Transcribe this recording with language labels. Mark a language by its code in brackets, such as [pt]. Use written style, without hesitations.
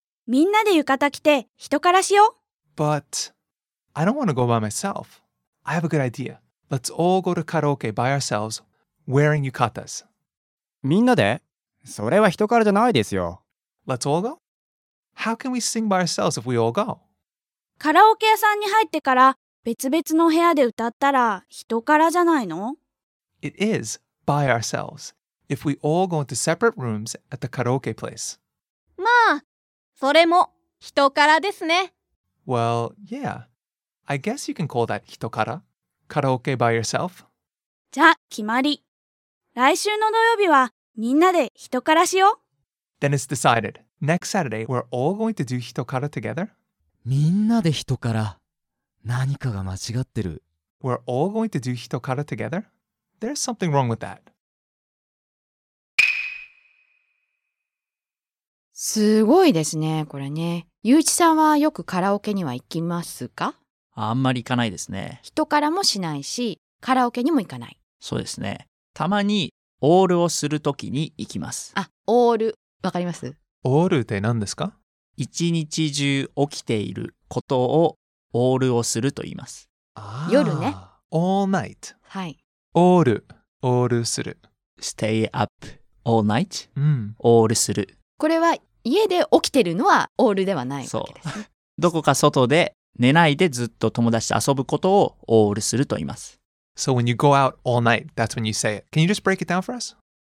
[ja] みんなで浴衣着て、人からしよう。 [en] But, I don't want to go by myself. I have a good idea. Let's all go to karaoke by ourselves, wearing yukatas. [ja] みんなで? それは人からじゃないですよ。 [en] Let's all go? How can we sing by ourselves if we all go? [ja] カラオケ屋さんに入ってから、別々の部屋で歌ったら、人からじゃないの? [en] It is by ourselves. If we all go into separate rooms at the karaoke place. [ja] まあ、それも人からですね。 [en] Well, yeah. I guess you can call that 人から。カラオケ by yourself? [ja] じゃあ、決まり。来週の土曜日はみんなで人からしよう。 [en] Then it's decided. Next Saturday, we're all going to do 人から together? [ja] みんなで人から。何かが間違ってる。 [en] We're all going to do 人から together? There's something wrong with that. [ja] すごいですね、これね。ゆういちさんはよくカラオケには行きますか? あんまり行かないですね。人からもしないし、カラオケにも行かない。そうですね。たまにオールをするときに行きます。あ、オール。わかります? オールって何ですか? 一日中起きていることをオールをすると言います。あ、夜ね。 [en] All night。 [ja] はい。オール。オールする。 [en] Stay up all night?、 [ja] うん、オールする。これは家で起きてるのはオールではないわけです、ね、そう。どこか外で寝ないでずっと友達と遊ぶことをオールすると言います。 [en] So when you go out all night, that's when you say it. Can you just break it down for us?